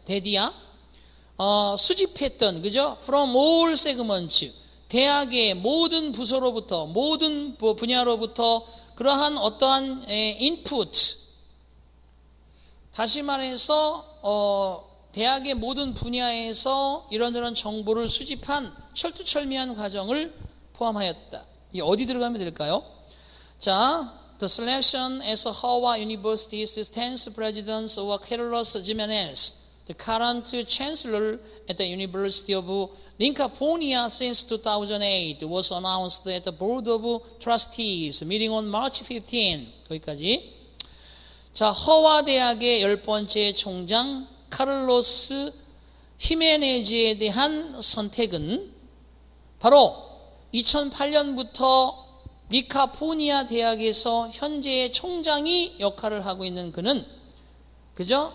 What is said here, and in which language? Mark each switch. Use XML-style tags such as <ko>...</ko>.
<ko>대디야, 수집했던, 그죠?</ko> <en>From all segments,</en> <ko>대학의 모든 부서로부터, 모든 분야로부터 그러한 어떠한 input, 다시 말해서 대학의 모든 분야에서 이런저런 정보를 수집한 철두철미한 과정을 포함하였다. 이게 어디 들어가면 될까요?</ko> <en>자, The selection as Howard University's 10th president was Carlos Jimenez, the current chancellor at the University of California since 2008, was announced at the Board of Trustees meeting on March 15.</en> <ko>거기까지. 자, 허와드 대학의 열 번째 총장 카를로스 히메네즈에 대한 선택은 바로 2008년부터 리카포니아 대학에서 현재의 총장이 역할을 하고 있는 그는, 그죠?</ko>